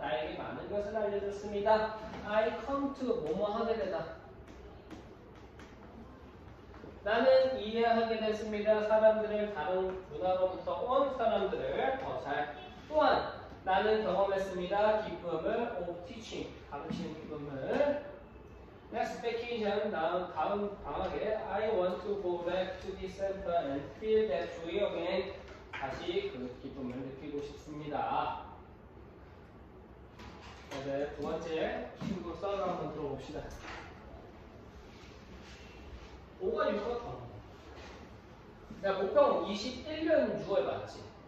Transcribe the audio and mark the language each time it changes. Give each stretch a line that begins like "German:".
Korean: 나에게 많은 것을 알려줬습니다.
English: I come to
Korean: 뭐뭐 하게 되다. 나는 이해하게 됐습니다. 사람들을 다른 문화로부터 온 사람들을 더 잘. 또한 나는 경험했습니다. 기쁨을
English: of teaching.
Korean: 가르치는 기쁨을.
English: Next vacation,
Korean: 다음 방학에
English: I want to go back to the center and feel that joy again.
Korean: 다시 그 기쁨을 느끼고 싶습니다. 이제 두 번째 친구 썰을 한번 들어봅시다. 5가 6가 더. 내가 목표는 21년 6월 맞지?